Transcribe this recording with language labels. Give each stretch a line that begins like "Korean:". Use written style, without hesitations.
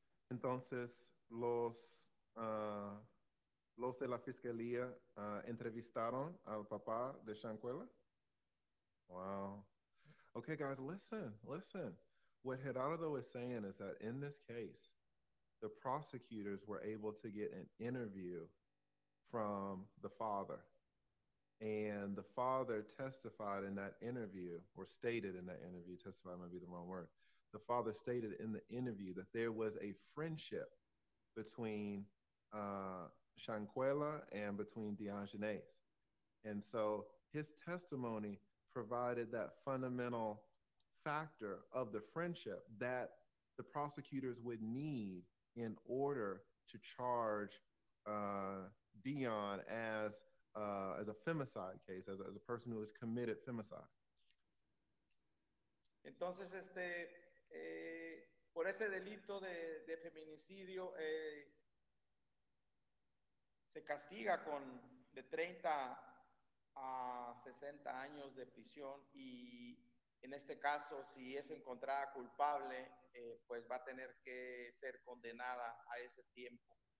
Spanish: Entonces, los de la fiscalía entrevistaron al papá de Shanquella.
English: Wow. Okay, guys, listen. What Gerardo is saying is that in this case, the prosecutors were able to get an interview from the father. And the father testified in that interview, or stated in that interview, testified might be the wrong word. The father stated in the interview that there was a friendship between Shanquella and between Daejhanae's. And so his testimony provided that fundamental factor of the friendship that the prosecutors would need in order to charge Dion as a femicide case, as a person who has committed femicide.
Spanish: Entonces, por ese delito de feminicidio, se castiga con de 30 a 60 años de prisión y en este caso, si es encontrada culpable, pues va a tener que ser condenada a ese tiempo.